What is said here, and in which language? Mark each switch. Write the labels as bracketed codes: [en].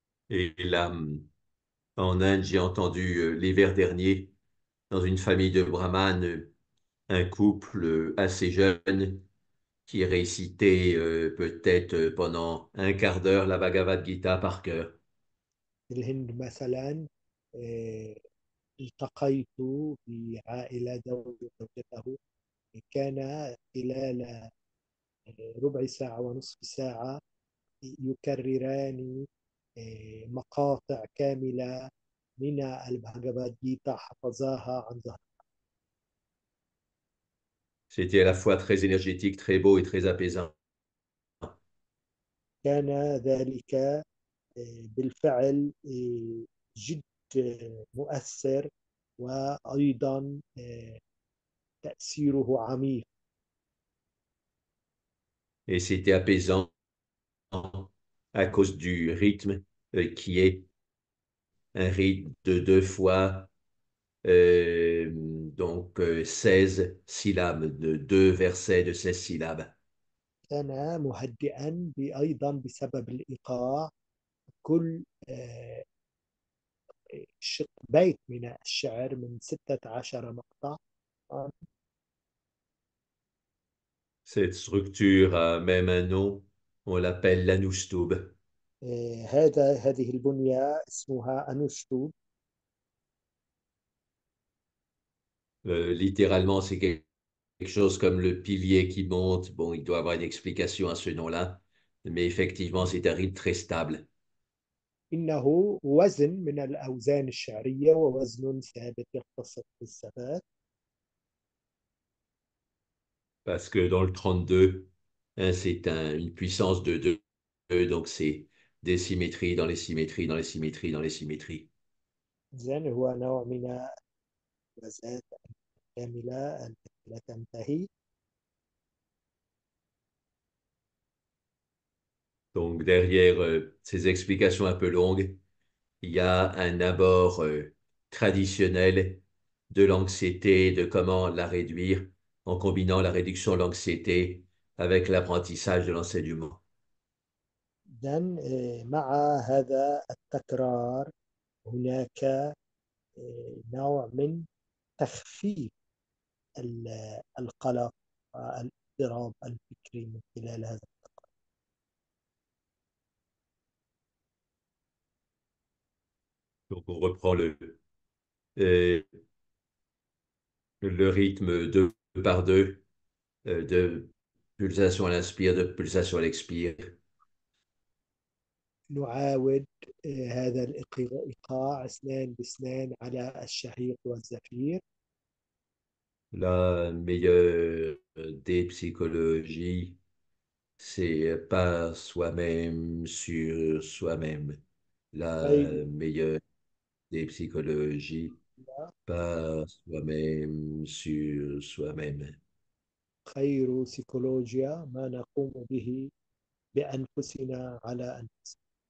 [fr] Et là, en Inde, j'ai entendu l'hiver dernier, dans une famille de brahmanes, un couple assez jeune qui récitait peut-être pendant un quart d'heure la Bhagavad Gita par cœur. [ar] في الهند مثلا التقيت بعائلة زوجته، كان خلال ربع ساعة ونصف ساعة يكرران مقاطع كاملة من الباغافاد جيتا حفظاها عن ظهر. [fr] C'était à la fois très énergétique, très beau et très apaisant. [ar] كان ذلك بالفعل جد مؤثر، وأيضا تأثيره عميق. [fr] Et c'était apaisant à cause du rythme qui est un rythme de deux fois. Donc 16 syllabes, de deux versets de 16 syllabes. [ar] كان مهدئا أيضا بسبب الإيقاع، كل شق بيت من الشعر من 16 مقطع. [fr] Cette structure a même un nom, on l'appelle l'anoustoub. [ar] هذه البنية اسمها أنوشتوب. [fr] Littéralement, c'est quelque chose comme le pilier qui monte. Bon, il doit y avoir une explication à ce nom-là, mais effectivement, c'est un rythme très stable. [ar] إنه وزن من الأوزان الشعرية، ووزن ثابت يختصر في الثبات. [fr] Parce que dans le 32, hein, c'est une puissance de 2, donc c'est des symétries dans les symétries, dans les symétries, dans les symétries. [ar] إذن هو نوع من الوزات الكاملة التي لا تنتهي. [fr] Donc derrière ces explications un peu longues, il y a un abord traditionnel de l'anxiété, de comment la réduire en combinant la réduction de l'anxiété avec l'apprentissage de l'enseignement. [ar] إذن مع هذا التكرار هناك نوع من تخفيف القلق والاضطراب الفكري من خلال هذا التكرار. [fr] Donc on reprend le rythme deux par deux, de pulsation à l'inspire, de pulsation à l'expire. [ar] نعاود هذا الإيقاع اثنان باثنان على الشهيق والزفير. [fr] La meilleure des psychologies, c'est pas soi-même sur soi-même. La [ar] أي [fr] meilleure des psychologies, pas soi-même sur soi-même. [ar] خير سيكولوجيا ما نقوم به بأنفسنا على أنفسنا.